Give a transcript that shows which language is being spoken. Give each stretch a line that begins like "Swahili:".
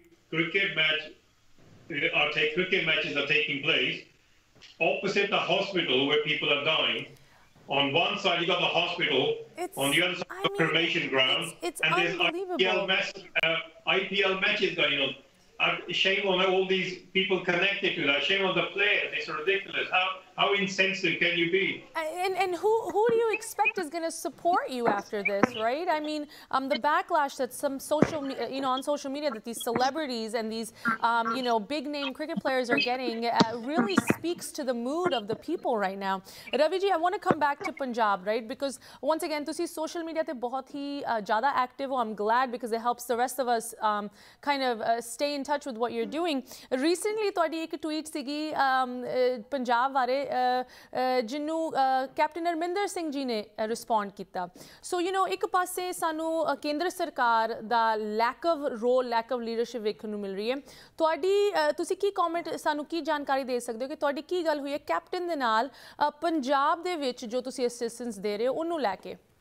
English: Cricket matches are taking place opposite the hospital where people are dying on one side you got the hospital on the other side the cremation ground and there is IPL match IPL matches going on shame on all these people connected to that shame on the players it's ridiculous how How insensitive can you be? And who do you expect is going to support you after this, right? I mean, the backlash that some social media, you know, on social media that these celebrities and these, you know, big name cricket players are getting really speaks to the mood of the people right now. Raviji, I want to come back to Punjab, right? Because once again, to see social media
Punjabi: ਤੇ ਬਹੁਤ ਹੀ ਜਾਦਾ
English: active. I'm glad because it helps the rest of us kind of stay in touch with what you're doing.
Punjabi: Recently, ਤੁਹਾਡੀ ਇੱਕ tweet ਸੀਗੀ ਪੰਜਾਬ ਬਾਰੇ ਜਿਹਨੂੰ Captain Arminder Singh ji ਨੇ respond ਕੀਤਾ.
English: So, you know,
Punjabi: ਇੱਕ ਪਾਸੇ ਸਾਨੂੰ ਕੇਂਦਰ ਸਰਕਾਰ ਦਾ
English: lack of role, lack of leadership
Punjabi: ਵੇਖਣ ਨੂੰ ਮਿਲ ਰਹੀ ਹੈ. ਤੁਹਾਡੀ ਤੁਸੀਂ ਕੀ ਕੌਮੈਂਟ ਸਾਨੂੰ ਕੀ ਜਾਣਕਾਰੀ ਦੇ ਸਕਦੇ ਹੋ ਕਿ ਤੁਹਾਡੀ ਕੀ ਗੱਲ ਹੋਈ ਹੈ ਕੈਪਟਨ ਦੇ ਨਾਲ ਪੰਜਾਬ ਦੇ ਵਿੱਚ ਜੋ ਤੁਸੀਂ ਅਸਿਸਟੈਂਸ ਦੇ ਰਹੇ ਹੋ ਉਹਨੂੰ ਲੈ ਕੇ.